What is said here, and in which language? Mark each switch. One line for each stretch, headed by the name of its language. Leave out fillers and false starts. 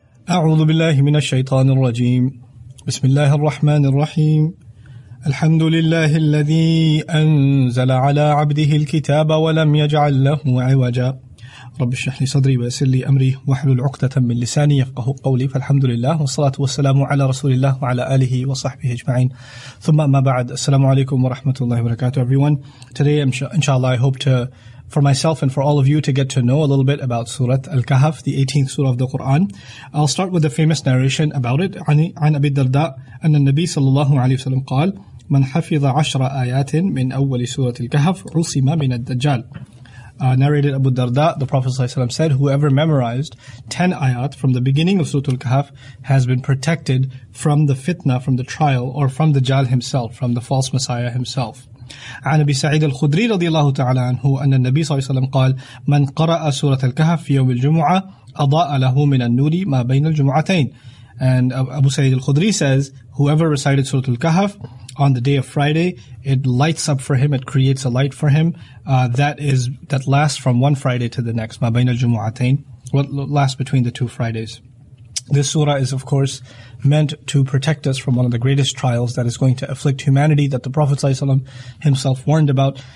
Arabic: أعوذ بالله من الشيطان الرجيم بسم الله الرحمن الرحيم الحمد لله الذي أنزل على عبده الكتاب ولم يجعل له عوجا رب اشرح لي صدري ويسر لي أمري واحلل عقدة من لساني يفقه قولي فالحمد لله والصلاة والسلام على رسول الله وعلى آله وصحبه أجمعين ثم ما بعد السلام عليكم ورحمة الله وبركاته everyone.
English: Today إن شاء الله I hope to for myself and for all of you to get to know a little bit about Surah Al-Kahf, the 18th Surah of the Quran. I'll start with a famous narration about it.
Arabic: عن أبي الدرداء أن النبي صلى الله عليه وسلم قال من حفظ عشر آيات من أول سورة الكهف عصم من الدجال.
English: Narrated Abu Darda, the Prophet ﷺ said, whoever memorized 10 ayat from the beginning of Surah Al-Kahf has been protected from the fitna, from the trial, or from the Dajjal himself, from the false Messiah himself.
Arabic: عن أبي سعيد الخدري رضي الله تعالى عنه أن النبي صلى الله عليه وسلم قال من قرأ سورة الكهف في يوم الجمعة أضاء له من النور ما بين الجمعتين.
English: And Abu Sa'id al-Khudri says, whoever recited Surah al-Kahf on the day of Friday, it lights up for him, it creates a light for him that lasts from one Friday to the next,
Arabic: ما بين الجمعتين,
English: what lasts between the two Fridays. This surah is, of course, meant to protect us from one of the greatest trials that is going to afflict humanity that the Prophet ﷺ himself warned about.